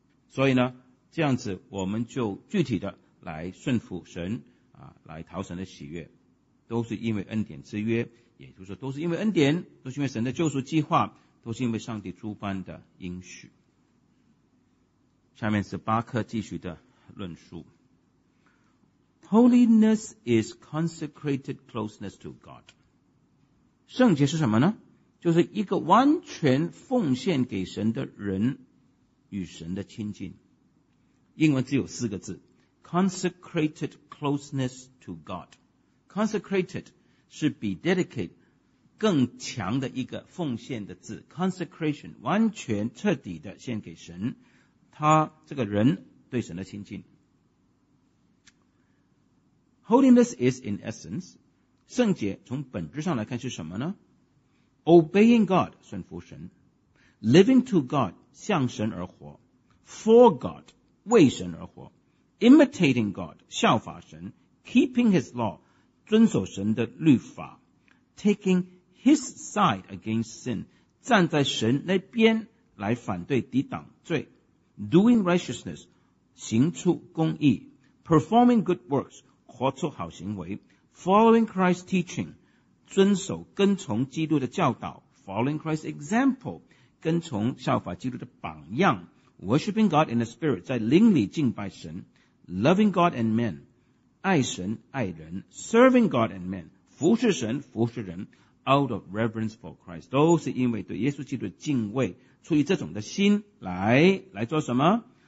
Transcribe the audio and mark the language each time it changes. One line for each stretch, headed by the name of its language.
Chinese: 所以呢，这样子我们就具体的来顺服神啊，来讨神的喜悦，都是因为恩典之约，也就是说都是因为恩典，都是因为神的救赎计划，都是因为上帝诸般的应许。下面是巴克继续的论述。
English: Holiness is consecrated closeness to God.
Chinese: 圣洁是什么呢？就是一个完全奉献给神的人与神的亲近。英文只有四个字 ,
English: consecrated closeness to God.
Chinese: Consecrated 是比 dedicate 更强的一个奉献的字。 Consecration, 完全彻底的献给神，他这个人对神的亲近。
English: Holiness is in essence,
Chinese: 圣洁从本质上来看是什么呢？
English: Obeying God,
Chinese: 顺服神。
English: Living to God,
Chinese: 向神而活。
English: For God,
Chinese: 为神而活。
English: Imitating God,
Chinese: 效法神。
English: Keeping his law,
Chinese: 遵守神的律法。
English: Taking his side against sin,
Chinese: 站在神那边来反对抵挡罪。
English: Doing righteousness,
Chinese: 行出公义。
English: Performing good works,
Chinese: 活出好行为
English: ,following Christ's teaching,
Chinese: 遵守跟从基督的教导
English: ,following Christ's example,
Chinese: 跟从效法基督的榜样
English: ,worshipping God in the Spirit,
Chinese: 在灵里敬拜神
English: ,loving God and men,
Chinese: 爱神爱人
English: ,serving God and men,
Chinese: 服侍神服侍人
English: ,out of reverence for Christ,
Chinese: 都是因为对耶稣基督的敬畏，出于这种的心来做什么？